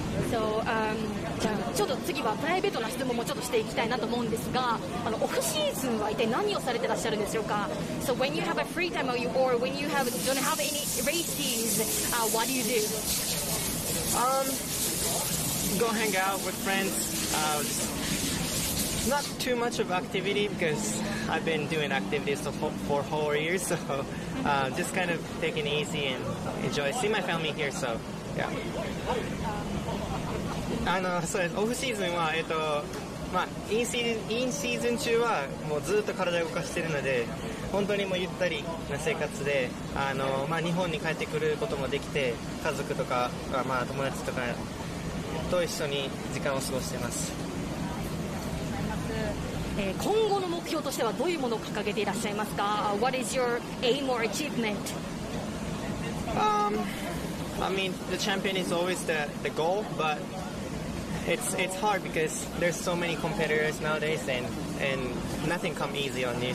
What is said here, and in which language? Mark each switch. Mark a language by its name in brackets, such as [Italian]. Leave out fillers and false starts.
[English] So, [Japanese] じゃあちょっと次はプライベートな質問もちょっとしていきたいなと思うんですが、オフシーズンは一体何をされてらっしゃるんでしょうか？ [English] So when you have a free time or when you have, don't have any races, what do you do? Go hang out with friends. Not too much of activity because I've been doing activities for whole years. So just kind of taking it easy and enjoy. See my family here, so yeah. [Japanese] そうです。オフシーズンは、まあ、インシーズン中はもうずっと体を動かしているので、本当にもうゆったりな生活で、まあ、日本に帰ってくることもできて、家族とか、まあ、友達とかと一緒に時間を過ごしています。今後の目標としてはどういうものを掲げていらっしゃいますか？ [English] What is your aim or achievement? I mean, the champion is always the goal, butIt's hard because there's so many competitors nowadays and nothing come easy on you.